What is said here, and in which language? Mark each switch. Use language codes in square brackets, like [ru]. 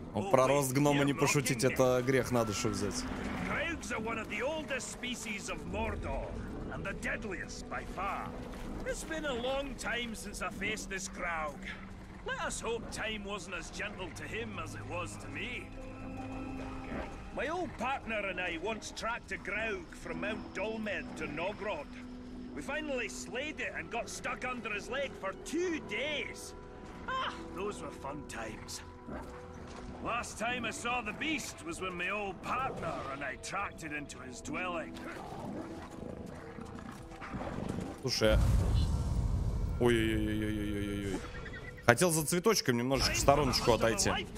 [ru] Про рост гнома не пошутить, это грех на душу взять. [en] Graugs are one of the oldest species of Mordor, and the deadliest by far. It's been a long time since I faced this Graug. Let us hope time wasn't as gentle to him as it was to me. My old partner and I once tracked a Graug from Mount Dolmed to Nogrod. We finally slayed it and got stuck under his leg for 2 days. Ah, those were fun times. Last time I saw the beast was when my old partner and I tracked it into his dwelling. [ru] Слушай, ой-ой-ой-ой-ой-ой-ой. Хотел за цветочком немножечко в стороночку отойти.